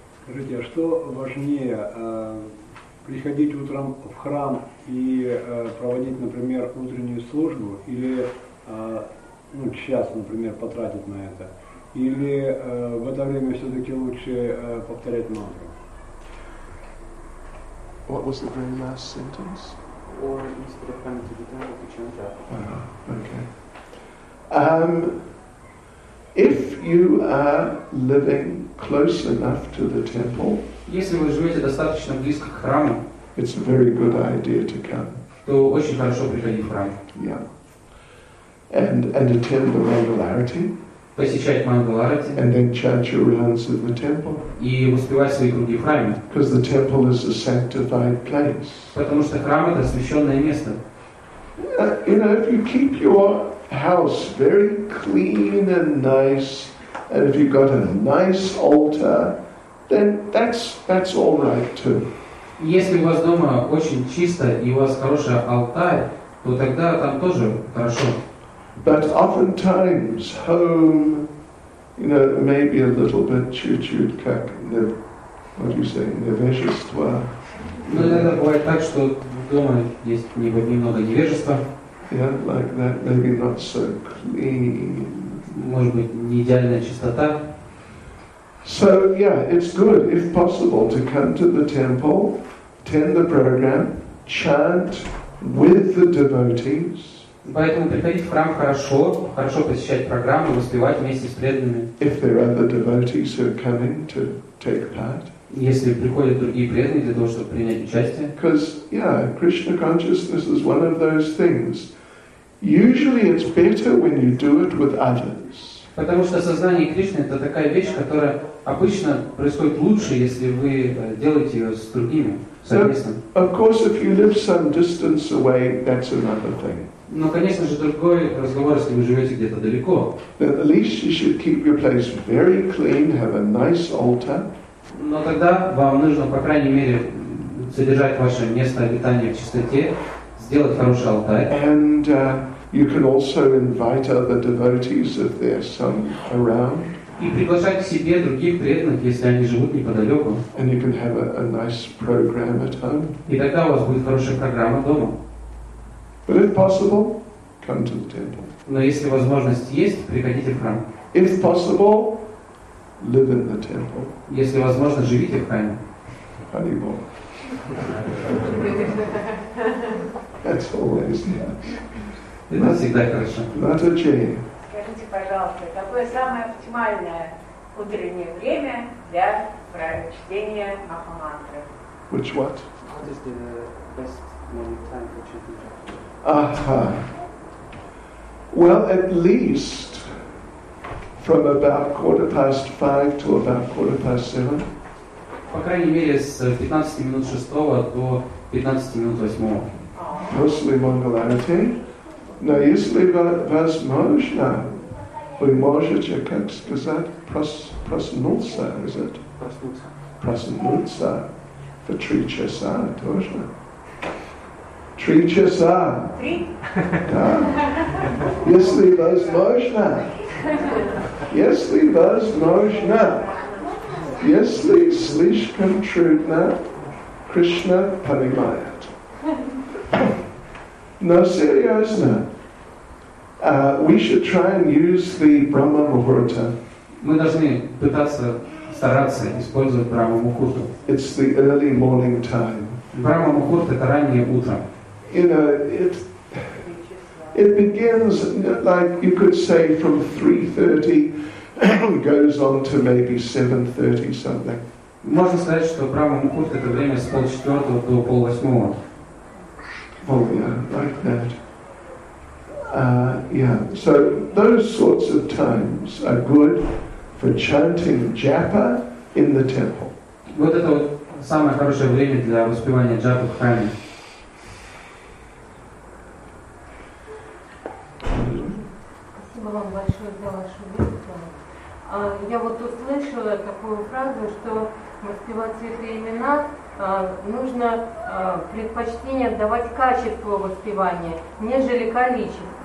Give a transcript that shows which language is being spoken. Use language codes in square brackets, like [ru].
[ru] Скажите, а что важнее, приходить утром в храм и проводить, например, утреннюю службу, или час, например, потратить на это, или в это время все-таки лучше повторять мантру? [en] What was the very last sentence? Or instead of coming to the temple to chant that. Okay. If you are living close enough to the temple, [ru] если вы живете достаточно близко к храму, [en] it's a very good idea to come. [ru] То очень хорошо приходить в храм. [en] Yeah. And attend the Mangalarati. [ru] Посещать Мангаларати. [en] And then chant your rounds in the temple. [ru] И успевать свои круги в храме. [en] Because the temple is a sanctified place. [ru] Потому что храм это священное место. [en] You know, if you keep your house very clean and nice, and if you've got a nice altar, then that's all right too. [ru] Если у вас дома очень чисто и у вас хороший алтарь, то тогда там тоже хорошо. [en] But oftentimes home, you know, may be a little bit [ru] чуть-чуть как, [en] what do you say, [ru] невежество. Но иногда бывает так, что дома есть немного невежества. [en] Yeah, like that, maybe not so clean. [ru] Может быть, не идеальная чистота. [en] So yeah, it's good if possible to come to the temple, attend the program, chant with the devotees. [ru] Поэтому приходить в храм хорошо, хорошо посещать программу, воспевать вместе с преданными. [en] If there are other devotees who are coming to take part. [ru] Если приходят другие преданные для того, чтобы принять участие. [en] Because yeah, Krishna consciousness is one of those things. Usually it's better when you do it with others. [ru] Потому что сознание Кришны это такая вещь, которая обычно происходит лучше, если вы делаете ее с другими, совместно. [en] So, of course, if you live some distance away, that's another thing. [ru] Но, конечно же, другой разговор, если вы живете где-то далеко. [en] At least you should keep your place very clean, have a nice altar. [ru] Но тогда вам нужно, по крайней мере, содержать ваше место обитания в чистоте, сделать хороший алтарь. [en] And, you can also invite other devotees if there's some around. [ru] И приглашать к себе других преданных, если они живут неподалеку. [en] And you can have a nice program at home. [ru] И тогда у вас будет хорошая программа дома. [en] But if possible, come to the temple. [ru] Но если возможность есть, приходите в храм. [en] If possible, live in the temple. [ru] Если возможно, живите в храме. [en] Hare Bol. That's always nice. [ru] Это всегда хорошо. [en] Not a [ru] Скажите, пожалуйста, какое самое оптимальное утреннее время для прочтения Махамантры? [en] Which what? What is the best morning time for chanting? Uh-huh. Well, at least from about 5:15 to about 7:15. [ru] По крайней мере, с 6:15 до 8:15. [en] Mostly Mangalarati. [ru] Но если возможно, вы можете, как сказать, проснуться, [en] is it? [ru] Проснуться. Проснуться. For 3 часа тоже. 3 часа. Три? Да. Если возможно. Если возможно. Если слишком трудно, Кришна понимает. Но серьезно. [en] We should try and use the Brahma Muhurta. [ru] Мы должны пытаться стараться использовать Брахма Мухурту. [en] It's the early morning time. [ru] Брахма Мухурта это раннее утро. [en] You know, it begins like you could say from 3:30 and goes on to maybe 7:30 something. [ru] Можно сказать, что Брахма Мухурта это время с 4:30 до 7:30. [en] Oh yeah, like that. Yeah, so those sorts of times are good for chanting japa in the temple. [ru] Вот это вот самое хорошее время для воспевания джапы в храме. Спасибо вам большое за вашу лекцию. Я вот услышала такую фразу, что воспевать святые имена нужно предпочтение отдавать качеству воспевания, нежели количеству.